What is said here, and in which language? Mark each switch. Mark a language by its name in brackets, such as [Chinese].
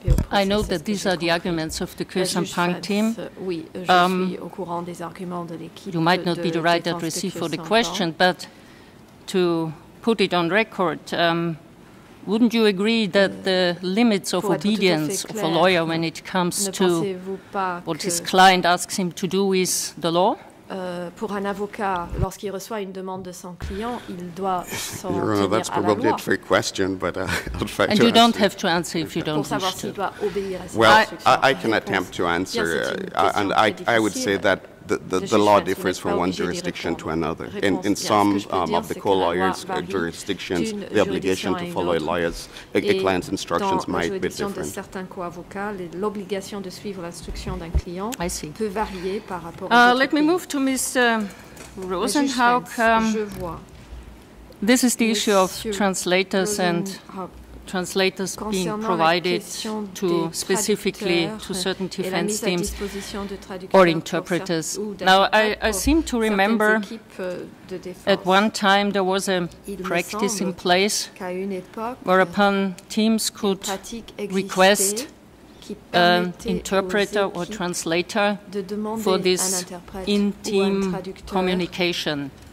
[English] I know that these are the arguments of the Que Sampan team. You might not be the right addressee for the question, but to put it on record, wouldn't you agree that the limits of obedience of a lawyer when it comes to what his client asks him to do is the law? [French] Pour un avocat, lorsqu'il reçoit une demande de son client, il doit s'en tenir à la loi. [English] That's probably a trick question, but I'll try to answer. And you don't have to answer if you don't wish to. Well, I can attempt to answer, and I would say that the law differs from one jurisdiction to another. In some of the co-lawyers jurisdictions, the obligation to follow a client's instructions might be different. [French] Certains co-avocats, l'obligation de suivre l'instruction d'un client peut varier par rapport. [English] Let me move to Mr. Rosenhauck. This is the issue of translators and translators being provided to specifically to certain defense teams or interpreters. Now, I seem to remember at one time there was a practice in place whereupon teams could request an interpreter or translator for this in-team communication.